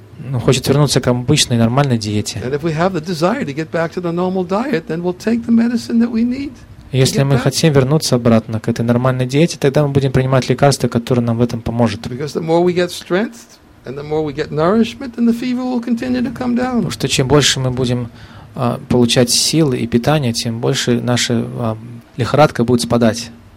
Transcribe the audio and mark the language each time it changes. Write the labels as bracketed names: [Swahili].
[Russian] Но хочет вернуться к обычной нормальной диете. [English] And if we have the desire to get back to the normal diet, then we'll take the medicine that we need. [Russian] Если мы хотим вернуться обратно к этой нормальной диете, тогда мы будем принимать лекарства, которые нам в этом поможет. Потому что чем больше мы будем получать силы и питание, тем больше наша лихорадка будет спадать.